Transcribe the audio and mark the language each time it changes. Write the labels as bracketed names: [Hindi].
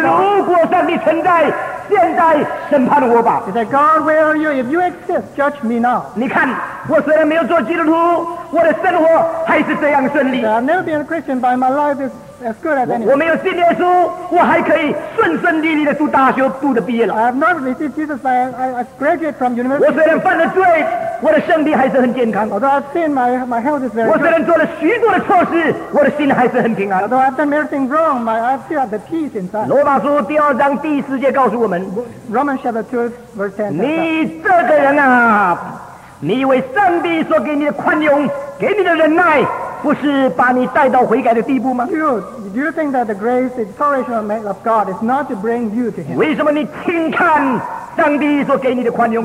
[Chinese] 如果上帝存在，现在审判我吧。 [English] He said, God, where are you? If you exist, judge me now. [Chinese] 你看，我虽然没有做基督徒，我的生活还是这样顺利。 [English] I've never been a Christian, but my life is. As good as anything. [Chinese] 我没有信耶稣，我还可以顺顺利利的读大学，读的毕业了。 [English] I have not received Jesus, but I graduated from university. [Chinese] 我虽然犯了罪，我的身体还是很健康。 [English] Although I've sinned, my health is very good. [Chinese] 我虽然做了许多的错事，我的心还是很平安。 [English] Although I've done everything wrong, I still have the peace inside. [Chinese] 罗马书第二章第四节告诉我们， [English] Romans chapter 2 verse 10. [Chinese] 你这个人啊，你以为上帝所给你的宽容，给你的忍耐。不是把你带到悔改的地步吗？ [English] Do you think that the grace and toleration of God is not to bring you to Him? [Chinese] 为什么你轻看上帝所给你的宽容？